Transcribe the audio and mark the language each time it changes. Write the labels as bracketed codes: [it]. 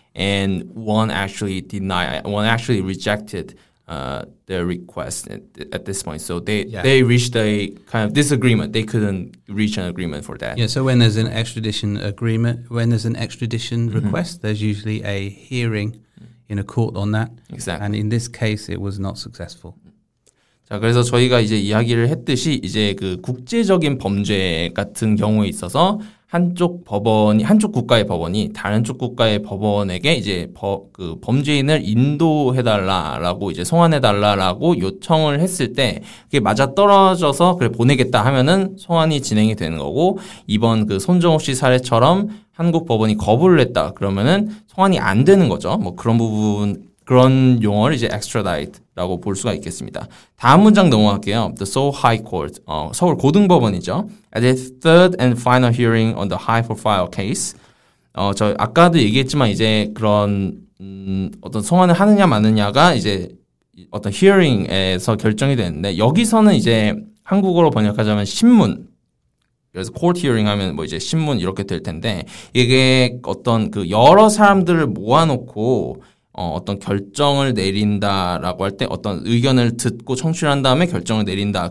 [en] And one actually rejected their request at this point. So they reached a kind of disagreement. They couldn't reach an agreement for that. Yeah, so when there's an extradition agreement, when there's an extradition request, there's usually a hearing in a court on that. Exactly. And in this case, it was not successful. [ko] 자, 그래서 저희가 이제 이야기를 했듯이 이제 그 국제적인 범죄 같은 경우에 있어서 한쪽 법원이, 한쪽 국가의 법원이 다른 쪽 국가의 법원에게 이제 그 범죄인을 인도해달라라고 이제 송환해달라라고 요청을 했을 때 그게 맞아떨어져서 그래 보내겠다 하면은 송환이 진행이 되는 거고, 이번 그 손정우 씨 사례처럼 한국 법원이 거부를 했다 그러면은 송환이 안 되는 거죠. 뭐 그런 부분, 그런 용어를 이제 extradite라고 볼 수가 있겠습니다. 다음 문장 넘어갈게요. The Seoul High Court, 서울 고등법원이죠. [en] At its third and final hearing on the high profile case. [ko] 저 아까도 얘기했지만 이제 그런 어떤 송환을 하느냐 마느냐가 이제 어떤 hearing에서 결정이 되는데, 여기서는 이제 한국어로 번역하자면 신문. 그래서 court hearing 하면 뭐 이제 신문 이렇게 될 텐데, 이게 어떤 그 여러 사람들을 모아놓고 어떤 결정을 내린다라고 할 때 어떤 의견을 듣고 청취를 한 다음에 결정을 내린다.